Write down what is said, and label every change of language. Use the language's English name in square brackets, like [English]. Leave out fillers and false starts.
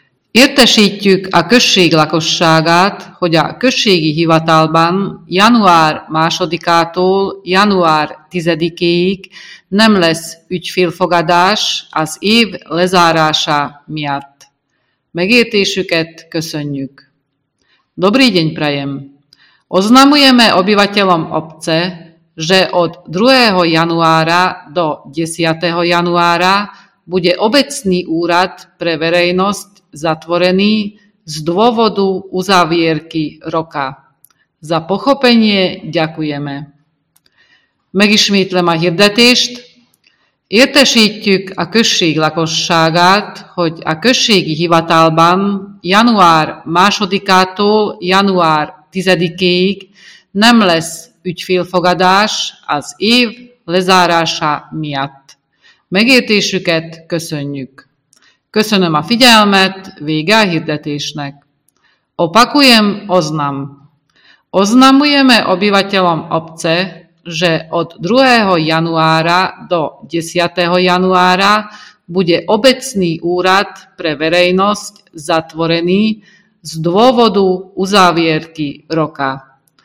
[Hungarian] Értesítjük a község lakosságát, hogy a községi hivatalban január 2-től január 10-ig nem lesz ügyfélfogadás az év lezárása miatt. Megértésüket köszönjük! [Slovak] Dobrý deň prajem! Oznamujeme obyvateľom obce, že od 2. januára do 10. januára bude obecný úrad pre verejnosť zatvorený z dôvodu uzavierky roka. Za pochopenie ďakujeme. [Hungarian] Megismétlem a hirdetést. Értesítjük a község lakosságát, hogy a községi hivatalban január 2-től január 10-ig nem lesz ügyfélfogadás az év lezárása miatt. Megértésüket köszönjük. Köszönöm a figyelmet, vége a hirdetésnek. [Slovak] Opakujem oznam. Oznamujeme obyvateľom obce, že od 2. januára do 10. januára bude obecný úrad pre verejnosť zatvorený z dôvodu uzávierky roka.